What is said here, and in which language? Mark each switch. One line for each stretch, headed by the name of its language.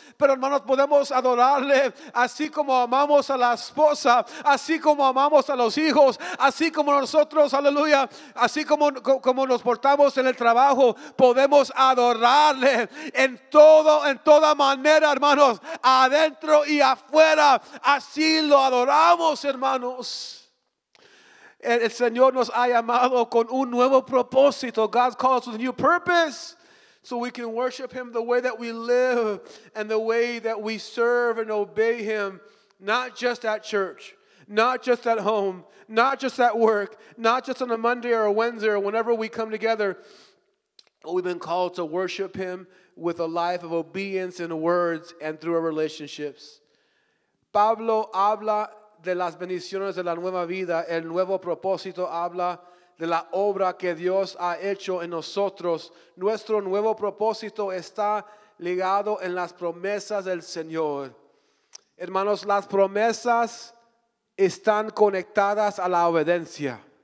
Spanish: Pero hermanos, podemos adorarle así como amamos a la esposa, así como amamos a los hijos, así como nosotros, aleluya, así como nos portamos en el trabajo, podemos adorarle en todo, en toda manera, hermanos, adentro y afuera. Así lo adoramos, hermanos. El Señor nos ha llamado con un nuevo propósito.
English: God calls with a new purpose so we can worship Him the way that we live and the way that we serve and obey Him, not just at church, not just at home, not just at work, not just on a Monday or a Wednesday or whenever we come together. We've been called to worship Him with a life of obedience in words and through our relationships.
Spanish: Pablo habla de las bendiciones de la nueva vida. El nuevo propósito habla de la obra que Dios ha hecho en nosotros. Nuestro nuevo propósito está ligado en las promesas del Señor. Hermanos, las promesas están conectadas a la obediencia.